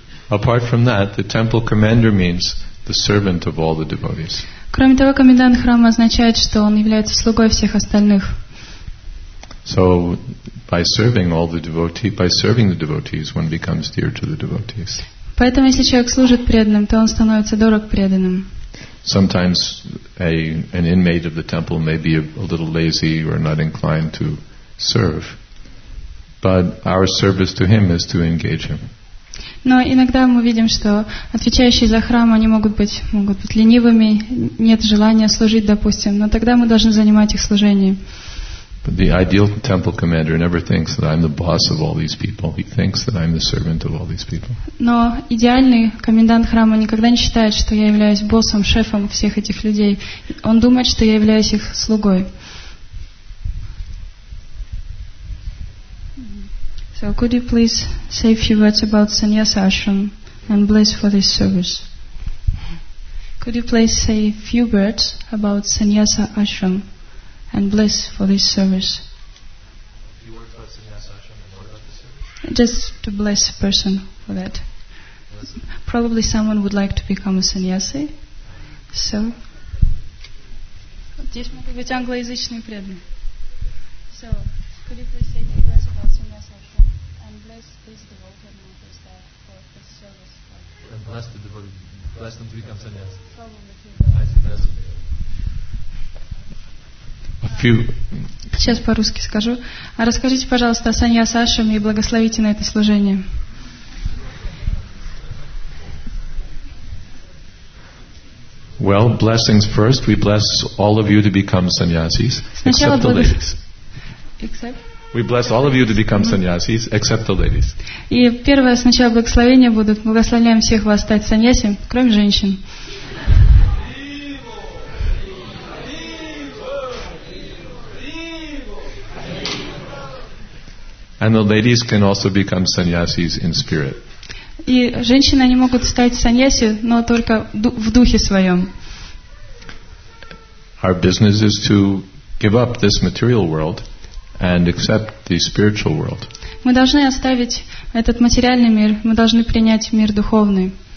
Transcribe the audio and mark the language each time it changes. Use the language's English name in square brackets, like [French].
[English] Apart from that, the temple commander means the servant of all the devotees. [Russian] Кроме того, комендант храма означает, что он является слугой всех остальных. [English] So by serving all the devotees, by serving the devotees, one becomes dear to the devotees. [Russian] Поэтому если человек служит преданным, то он становится дорог преданным. [English] Sometimes an inmate of the temple may be a little lazy or not inclined to serve, but our service to him is to engage him. [Russian] Но иногда мы видим, что отвечающие за храм, они могут быть ленивыми, нет желания служить, допустим, но тогда мы должны занимать их служение. [English] But the ideal temple commander never thinks that I'm the boss of all these people. He thinks that I'm the servant of all these people. [Russian] Но идеальный комендант храма никогда не считает, что я являюсь боссом, шефом всех этих людей. Он думает, что я являюсь их слугой. [English] So could you please say a few words about sannyasa ashram and bliss for this service? Could you please say a few words about sannyasa ashram and bliss for this service? You want to sannyasa ashram and what about the service? Just to bless a person for that. Probably someone would like to become a sannyasi. [Russian] So здесь могут быть англоязычные преданные. [English] So could you please say a few words about sannyasa ashram and bless this devotee and what is that for this service? And bless the devotee. Bless them to become sannyasi. Probably. I think that's okay. [Russian] Сейчас по-русски скажу. Расскажите, пожалуйста, о саньяса ашраме и благословите на это служение. [English] Well, blessings first. We bless all of you to become sannyasis, except the ladies. We bless all of you to become sannyasis, except the ladies. [Russian] И первое сначала благословение будут. Благословляем всех вас стать саньяси, кроме женщин. [English] And the ladies can also become sannyasis in spirit. [Russian] И женщины они могут стать саньяси, но только в духе своем. [English] Our business is to give up this material world and accept the spiritual world. [Russian] Мы должны оставить этот материальный мир, мы должны принять мир духовный.